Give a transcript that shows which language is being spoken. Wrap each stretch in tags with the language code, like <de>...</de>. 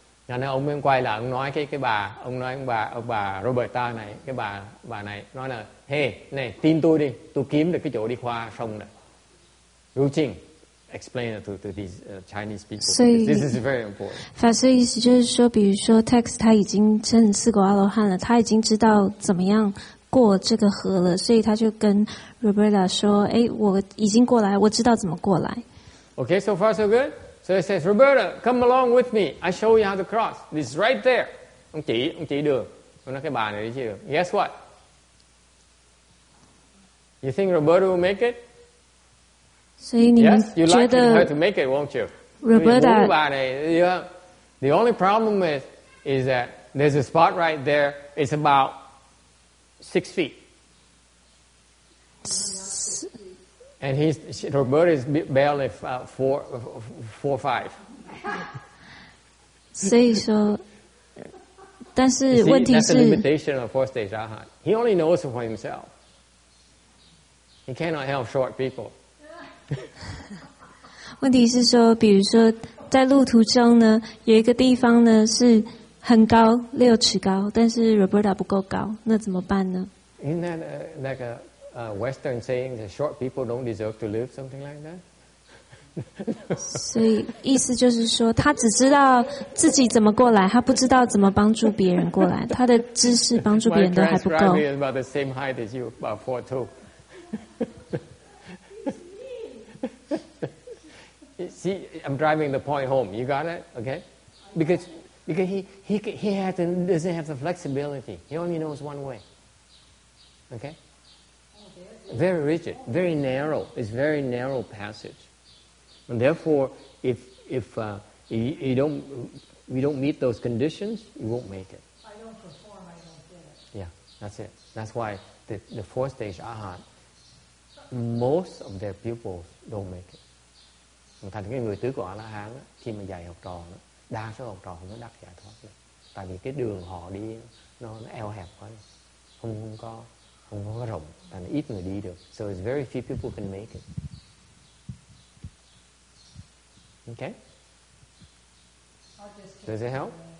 <vi>Nên ông mới quay lại, ông nói cái bà, ông nói bà Roberta này, cái bà này, nói là, hey, này, tin tôi đi, tôi kiếm được cái chỗ đi qua sông này.</vi> <en>Ru Qing, explain it to these Chinese people. This is very important.</en> <zh>法师意思就是说, 比如说, text 他已经认识过阿罗汉了, 他已经知道怎么样过这个河了, 所以他就跟 Roberta 说, 诶, 我已经过来, 我知道怎么过来。</zh> <en>Okay, so far so good? So he says, Roberta, come along with me. I show you how to cross. It's right there.</en> <vi>Ông chỉ đường. Ông nói cái bà này đi chứ.</vi> <en>Guess what? You think Roberta will make it? So you yes, you'd like her to make it, won't you? Roberta. The only problem is that there's a spot right there. It's about 6 feet. And Roberta is barely four or five. So,</en> <zh>但是问题是,</zh> <en>that's the limitation of four stage arhat. He only knows it for himself. He cannot help short people.</en> <zh>问题是说, 比如说在路途中呢, 有一个地方呢, 是很高, 六尺高, 但是Roberta不够高, 那怎么办呢?</zh> <en>Isn't that like a Western saying that short people don't deserve to live, something like that?</en> <zh>所以意思就是说, 他只知道自己怎么过来, 他不知道怎么帮助别人过来, 他的知识帮助别人都还不够。</zh> <en>My friend describing is about the same height as you, about 4'2". See, I'm driving the point home. You got it? Okay? Because he doesn't have the flexibility. He only knows one way. Okay? Very rigid. Very narrow. It's very narrow passage. And therefore, if we don't meet those conditions, you won't make it. I don't perform, I don't get it. Yeah, that's it. That's why the four stage arhat, most of their pupils don't make it.</en> <vi>Thành cái người tứ của A-la-hán khi mà dạy học trò đó, đa số học trò không có đắc giải thoát đó. Tại vì cái đường họ đi nó eo hẹp quá, không có rộng, thành ít người đi được.</vi> <en>So it's very few people can make it. Okay? Does it help?</en>